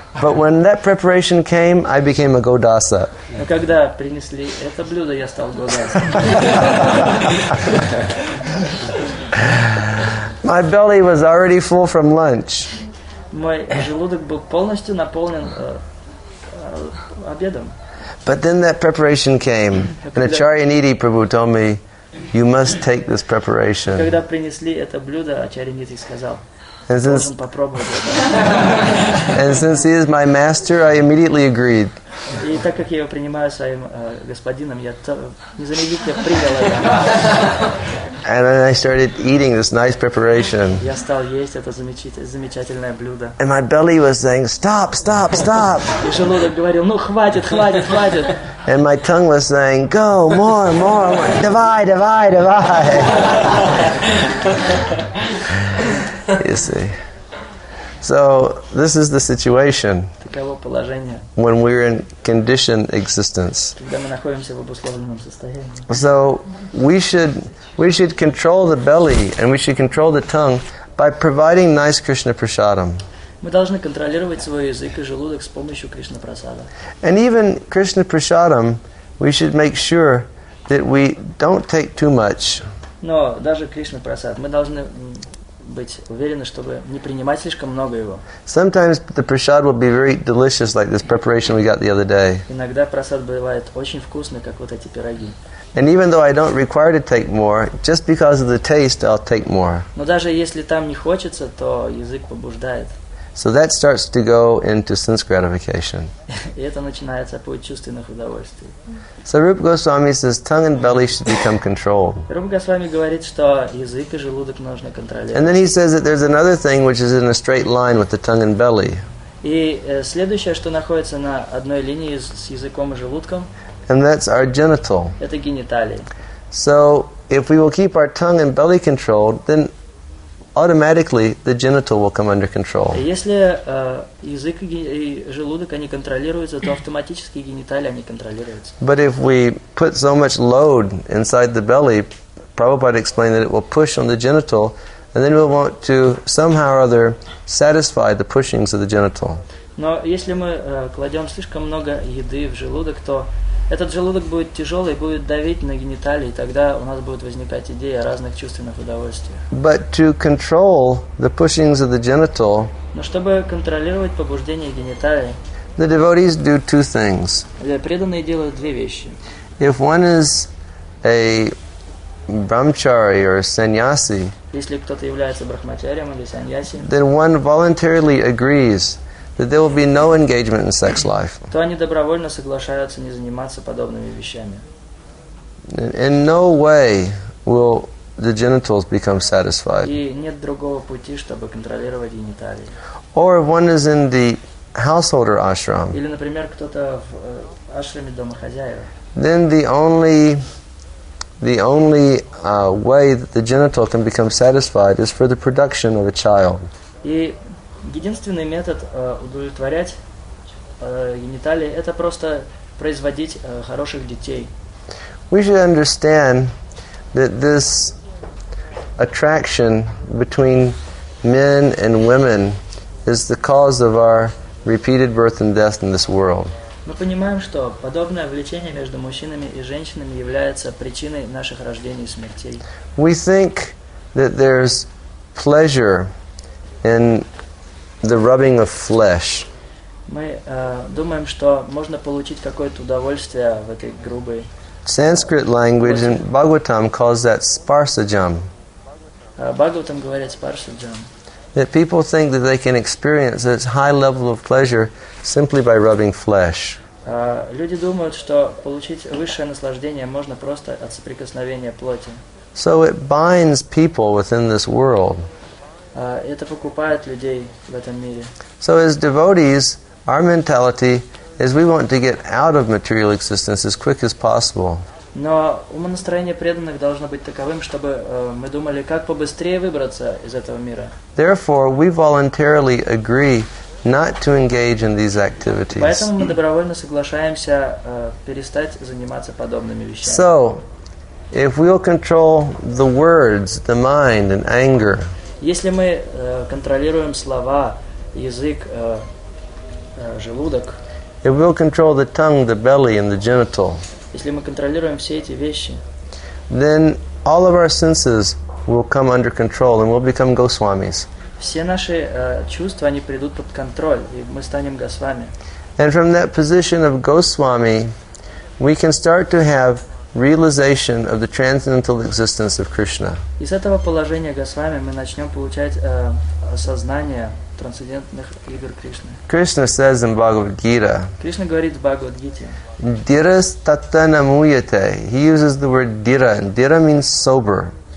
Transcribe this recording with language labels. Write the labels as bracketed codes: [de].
[en] But when that preparation came, I became a Godasa. [ru] Но когда принесли это блюдо, я стал Godasa. [en] My belly was already full from lunch. [ru] Мой желудок был полностью наполнен обедом. [en] But then that preparation came, and Acharya Niti Prabhu told me, "You must take this preparation." [ru] Когда принесли это блюдо, Ачарья Нити сказал, "Должен попробовать это." [en] And since he is my master, I immediately agreed. [ru] И так как я его принимаю своим господином, я незамедлительно принял это. [en] And then I started eating this nice preparation. [ru] Я стал есть это замечательное блюдо. [en] And my belly was saying, "Stop, stop, stop." [ru] И желудок говорил, "Ну хватит, хватит, хватит." [en] And my tongue was saying, "Go more, more, more. Divide, divide, divide." You see. So this is the situation. [ru] Таково положение. [en] When we're in conditioned existence. [ru] Когда мы находимся в обусловленном состоянии. [en] So we should control the belly and we should control the tongue by providing nice Krishna prasadam. [ru] Мы должны контролировать свой язык и желудок с помощью Кришна прасада. [en] And even Krishna prasadam, we should make sure that we don't take too much. [ru] Но даже Кришна прасад мы должны быть уверены, чтобы не принимать слишком много его. [en] Sometimes the prasad will be very delicious, like this preparation we got the other day. [ru] Иногда прасад бывает очень вкусный, как вот эти пироги. [en] And even though I don't require to take more, just because of the taste, I'll take more. [ru] Но даже если там не хочется, то язык побуждает. [en] So that starts to go into sense gratification. [ru] И это начинается путь чувственных удовольствий. [en] So Rupa Goswami says tongue and belly should become controlled. [ru] Рупа Госвами говорит, что язык и желудок нужно контролировать. [en] And then he says that there's another thing which is in a straight line with the tongue and belly. [ru] И следующее, что находится на одной линии с языком и желудком. [en] And that's our genital. [ru] Это гениталии. [en] So if we will keep our tongue and belly controlled, then automatically the genital will come under control. [ru] Если язык и желудок они контролируются, то автоматически гениталии они контролируются. [en] But if we put so much load inside the belly, Prabhupada explained that it will push on the genital, and then we'll want to somehow or other satisfy the pushings of the genital. [ru] Но если мы кладем слишком много еды в желудок, то этот желудок будет тяжелый, будет давить на гениталии, и тогда у нас будет возникать идея о разных чувственных удовольствиях. [en] But to control the pushings of the genital, [ru] но чтобы контролировать побуждение гениталии, [en] the devotees do two things. [ru] Преданные делают две вещи. [en] If one is a brahmachari or a sannyasi, [ru] если кто-то является брахмачарием или сан-яси, [en] then one voluntarily agrees that there will be no engagement in sex life. [ru] То они добровольно соглашаются не заниматься подобными вещами. [en] In no way will the genitals become satisfied. [ru] И нет другого пути, чтобы контролировать гениталии. [en] Or if one is in the householder ashram. [ru] Или, например, кто-то в ашраме домохозяева. [en] Then the only way that the genital can become satisfied is for the production of a child. [ru] И единственный метод удовлетворять гениталии – это просто производить хороших детей. [en] We should understand that this attraction between men and women is the cause of our repeated birth and death in this world. [ru] Мы понимаем, что подобное влечение между мужчинами и женщинами является причиной наших рождений и смертей. [en] We think that there's pleasure in the rubbing of flesh. [ru] Мы думаем, что можно получить какое-то удовольствие в этой грубой. [en] Sanskrit language in Bhagavatam calls that sparsajam. [ru] Bhagavatam говорит sparsajam. [en] That people think that they can experience this high level of pleasure simply by rubbing flesh. [ru] Люди думают, что получить высшее наслаждение можно просто от соприкосновения плоти. [en] So it binds people within this world. [ru] Это покупает людей в этом мире. [en] So as devotees, our mentality is we want to get out of material existence as quick as possible. [ru] Но умонастроение преданных должно быть таковым, чтобы мы думали, как побыстрее выбраться из этого мира. [en] Therefore, we voluntarily agree not to engage in these activities. [ru] Поэтому мы добровольно соглашаемся перестать заниматься подобными вещами. [en] So, if we'll control the words, the mind, and anger. [ru] Если мы контролируем слова, язык, желудок. [en] If we'll control the tongue, the belly, and the genital. [ru] Если мы контролируем все эти вещи. [en] Then all of our senses will come under control, and we'll become Goswamis. [ru] Все наши чувства, они придут под контроль, и мы станем Госвами. [en] And from that position of Goswami, we can start to have realization of the transcendental existence of Krishna. [ru] Из этого положения Госвами мы начнем получать осознание трансцендентных игр Кришны. [en] Krishna says in Bhagavad Gita. [ru] Krishna говорит в Bhagavad Gita. [sa] Diras tatta namuyate. [en] He uses the word dira. Dira means sober.